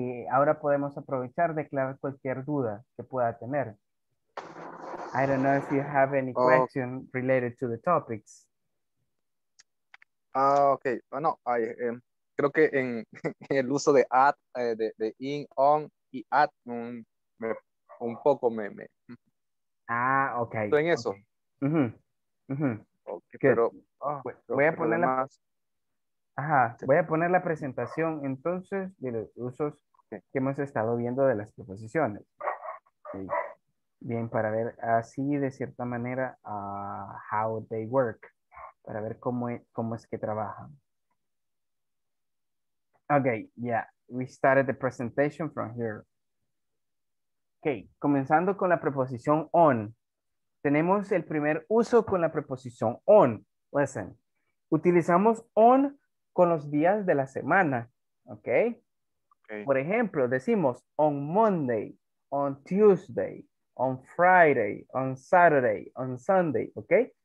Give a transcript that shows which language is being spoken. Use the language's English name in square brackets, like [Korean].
[Spanish] Ahora podemos aprovechar de aclarar cualquier duda que pueda tener. [English] I don't know if you have any question related to the topics. [Spanish] Okay, bueno, well, creo que en el uso de at, de in, on y at, un poco me. Ah, ok. Estoy en eso. Voy a poner la. Ajá, sí. Voy a poner la presentación entonces de los usos que hemos estado viendo de las preposiciones. Okay. Bien, para ver así de cierta manera [English] how they work, [Spanish] para ver cómo es que trabajan. [English] Okay, yeah, we started the presentation from here. [Spanish] Okay, comenzando con la preposición on. Tenemos el primer uso con la preposición on. [English] Listen, [Spanish] utilizamos on con los días de la semana, okay? Okay. Por ejemplo, decimos on Monday, on Tuesday, on Friday, on Saturday, on Sunday, okay?